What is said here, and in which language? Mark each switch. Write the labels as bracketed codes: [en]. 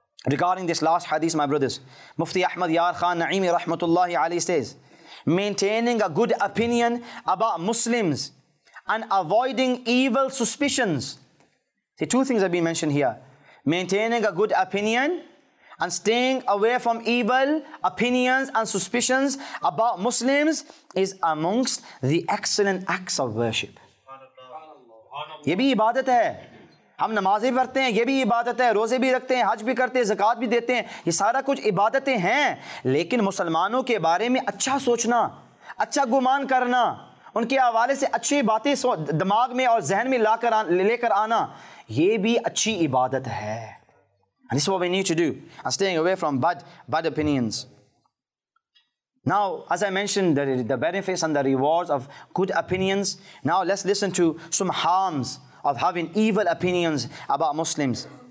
[en] Regarding this last hadith, my brothers, Mufti Ahmad Yar Khan Naimi rahmatullahi alayhi says, maintaining a good opinion about Muslims and avoiding evil suspicions. See, two things have been mentioned here. Maintaining a good opinion and staying away from evil opinions and suspicions about Muslims is amongst the excellent acts of worship. [ur] یہ بھی عبادت ہے. ہم نمازیں پڑھتے ہیں, یہ بھی عبادت ہے, روزے بھی رکھتے ہیں, حج بھی کرتے ہیں, زکوٰۃ بھی دیتے ہیں, یہ سارا کچھ عبادتیں ہیں. لیکن مسلمانوں کے بارے میں اچھا سوچنا, اچھا گمان کرنا, ان کے حوالے سے اچھی باتیں دماغ میں اور ذہن میں لے کر آنا, یہ بھی اچھی عبادت ہے. [en] And this is what we need to do. And staying away from bad opinions. Now, as I mentioned, the benefits and the rewards of good opinions. Now, let's listen to some harms of having evil opinions about Muslims.